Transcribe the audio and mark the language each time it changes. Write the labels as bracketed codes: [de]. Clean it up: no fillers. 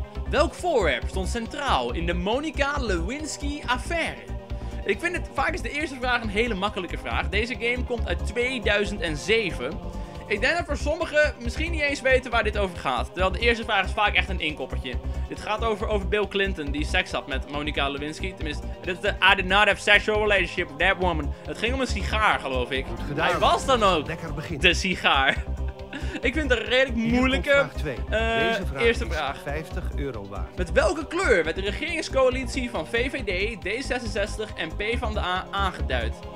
[nl] Welk voorwerp stond centraal in de Monica Lewinsky affaire? Ik vind het vaak is de eerste vraag een hele makkelijke vraag. Deze game komt uit 2007. Ik denk dat voor sommigen misschien niet eens weten waar dit over gaat. Terwijl de eerste vraag is vaak echt een inkoppertje. Dit gaat over Bill Clinton die seks had met Monica Lewinsky. Tenminste, dit is de [en] I did not have sexual relationship with that woman. [nl] Het ging om een sigaar, geloof ik. Goed gedaan. Hij was dan ook lekker begin. De sigaar. Ik vind het een redelijk moeilijke eerste vraag. 50 euro waard. Met welke kleur werd de regeringscoalitie van VVD, D66 en PvdA aangeduid?